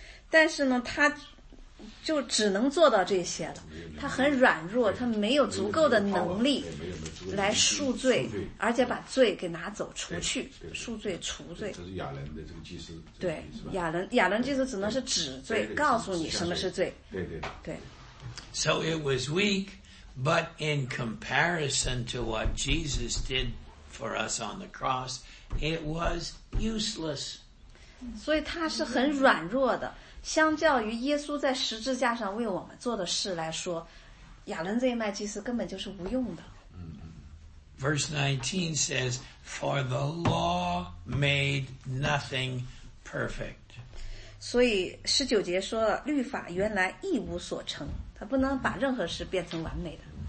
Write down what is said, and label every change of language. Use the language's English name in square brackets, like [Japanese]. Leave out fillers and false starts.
[Chinese] 但是呢，他就只能做到这些了。他很软弱，他没有足够的能力来赎罪，而且把罪给拿走、除去、赎罪、除罪。这是亚伦的这个祭司。对，亚伦祭司只能是指罪，告诉你什么是罪。对。 [English] So it was weak. But in comparison to what Jesus did for us on the cross, it was useless. [Chinese] 所以他是很软弱的。相较于耶稣在十字架上为我们做的事来说，亚伦这一脉祭司根本就是无用的。 [English] Verse 19 says, "For the law made nothing perfect." [Chinese] 所以十九节说了，律法原来一无所成。不能把任何事变成完美的。